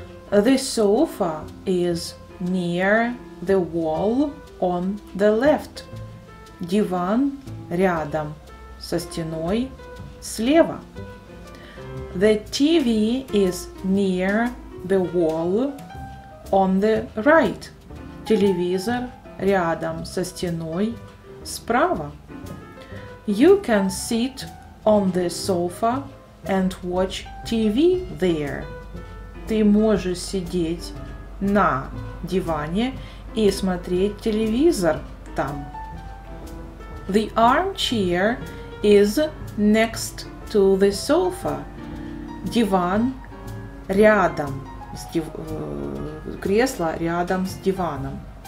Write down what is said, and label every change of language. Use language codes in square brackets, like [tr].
[en] The sofa is near the wall on the left. [ru] Диван рядом со стеной слева. [en] The TV is near the wall on the right. [ru] Телевизор рядом со стеной справа. [en] You can sit on the sofa and watch TV there. [ru] Ты можешь сидеть на диване и смотреть телевизор там. [en] The armchair is next to the sofa. [ru] Диван рядом с кресло рядом с диваном.